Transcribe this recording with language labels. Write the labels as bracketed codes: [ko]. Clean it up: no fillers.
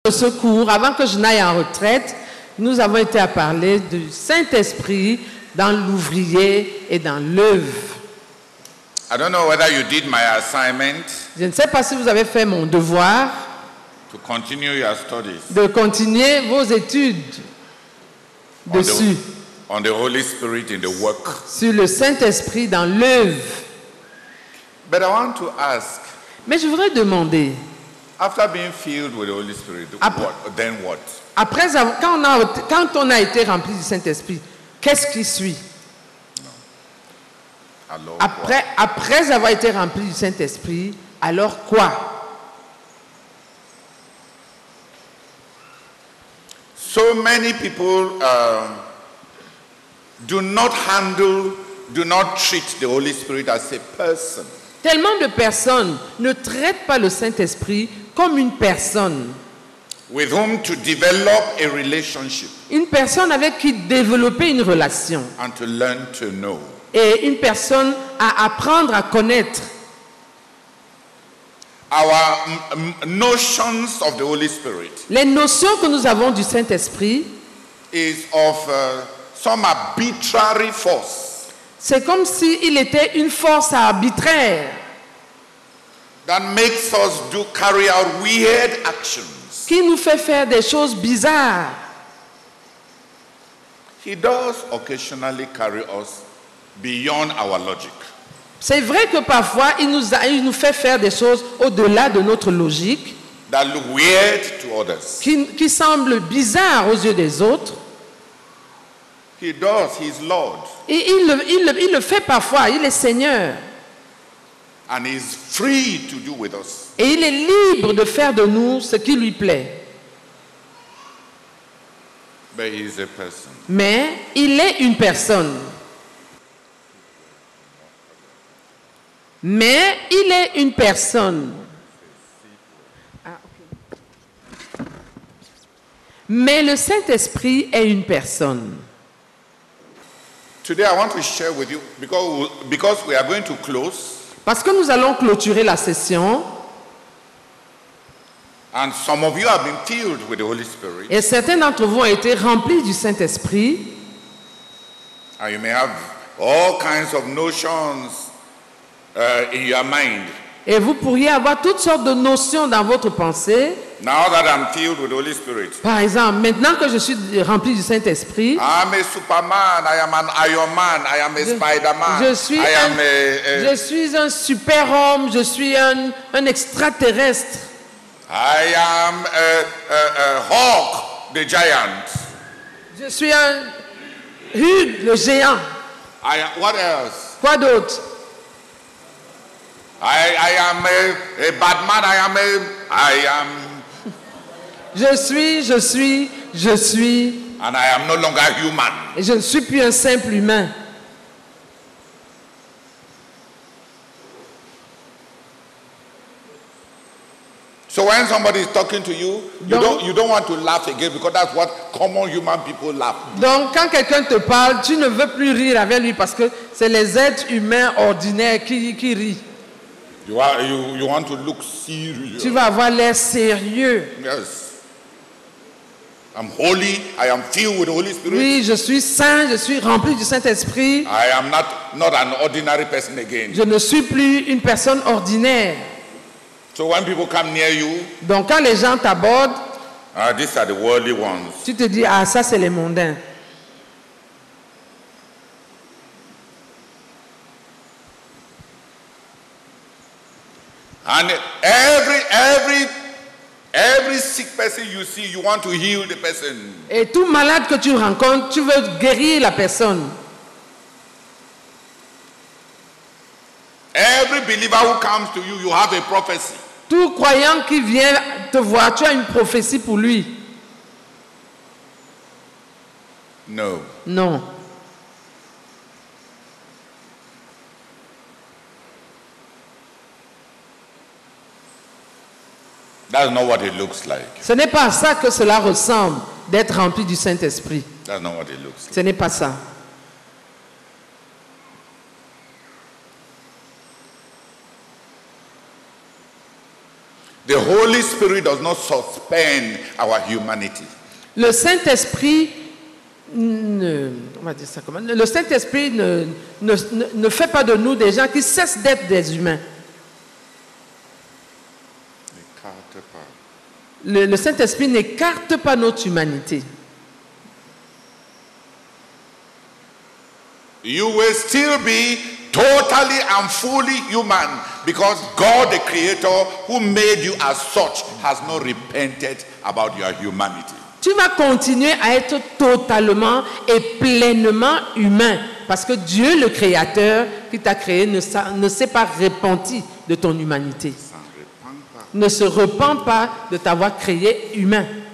[fr] secours, avant que je n'aille en retraite, nous avons été à parler du Saint-Esprit dans l'ouvrier et dans l'œuvre. [en] I don't know whether you did my assignment. [fr] Je ne sais pas si vous avez fait mon devoir. [en] To continue your studies. [fr] De continuer vos études dessus. [en] On the Holy Spirit in the work. [fr] Sur le Saint-Esprit dans l'œuvre. [en] But I want to ask. [fr] Mais je voudrais demander. [en] After being filled with the Holy Spirit, what? [fr] Après quand on a été rempli du Saint-Esprit, qu'est-ce qui suit? Alors, après avoir été rempli du Saint-Esprit, alors quoi? [en] So many people do not treat the Holy Spirit as a person. [fr] Tellement de personnes ne traitent pas le Saint-Esprit comme une personne. [en] With whom to develop a relationship. [fr] Une personne avec qui développer une relation. [en] And to learn to know. [fr] Et une personne à apprendre à connaître. [en] Our notions of the Holy Spirit. [fr] Les notions que nous avons du Saint-Esprit [en] is of some arbitrary force. [fr] C'est comme s'il était une force arbitraire. [en] That makes us do carry out weird actions. [fr] Qui nous fait faire des choses bizarres. [en] He does occasionally carry us beyond our logic. [fr] C'est vrai que parfois il nous fait faire des choses au-delà de notre logique. [en] That look weird to others. [fr] Qui semble bizarre aux yeux des autres. [en] He does, he's Lord. [fr] Et il le fait parfois, il est Seigneur. [en] And he's free to do with us. [fr] Et il est libre de faire de nous ce qui lui plaît. [en] But he's a person. [fr] Mais il est une personne. Mais il est une personne. Mais le Saint-Esprit est une personne. [en] Today I want to share with you because we are going to close. [fr] Parce que nous allons clôturer la session. [en] And some of you have been filled with the Holy Spirit. [fr] Et certains d'entre vous ont été remplis du Saint-Esprit. [en] And you may have all kinds of notions in your mind. [fr] Et vous pourriez avoir toutes sortes de notions dans votre pensée. [en] Now that I'm filled with the Holy Spirit. [fr] Par exemple, maintenant que je suis rempli du Saint-Esprit. [en] I'm a Superman, I am an Iron Man, I am a Spider-Man. [fr] Je suis un super-homme, je suis un extraterrestre. [en] I am a Hulk, the giant. [fr] Je suis un Hulk, le géant. [en] What else? [fr] Quoi d'autre? [en] I am a Batman, [fr] je suis. [en] And I am no longer human. [fr] Et je ne suis plus un simple humain. [en] So when somebody is talking to you, you don't want to laugh again because that's what common human people laugh. [fr] Donc quand quelqu'un te parle, tu ne veux plus rire avec lui parce que c'est les êtres humains ordinaires qui rient. [en] You want to look serious. [fr] Tu vas avoir l'air sérieux. [en] Yes. I'm holy. I am filled with the Holy Spirit. [fr] Oui, je suis saint. Je suis rempli du Saint-Esprit. [en] I am not an ordinary person again. [fr] Je ne suis plus une personne ordinaire. [en] So when people come near you. [fr] Donc quand les gens t'abordent. [en] These are the worldly ones. [fr] Tu te dis, ça c'est les mondains. [en] And every sick person you see, you want to heal the person. [fr] Et tout malade que tu rencontres, tu veux guérir la personne. [en] Every believer who comes to you, you have a prophecy. [fr] Tout croyant qui vient te voir, tu as une prophétie pour lui. [en] No. [fr] Non. [en] That's not what it looks like. [fr] Ce n'est pas ça que cela ressemble d'être rempli du Saint-Esprit. [en] That's not what it looks like. [fr] Ce n'est pas ça. [en] The Holy Spirit does not suspend our humanity. [fr] Le Saint-Esprit ne, on va dire ça comment, le Saint-Esprit ne fait pas de nous des gens qui cessent d'être des humains. N'écarte pas. Le Saint-Esprit n'écarte pas notre humanité. [en] You will still be totally and fully human because God, the Creator, who made you as such, has not repented about your humanity. [fr] Tu vas continuer à être totalement et pleinement humain parce que Dieu, le Créateur, qui t'a créé, ne s'est pas repenti de ton humanité. Ne se repent pas de t'avoir créé humain.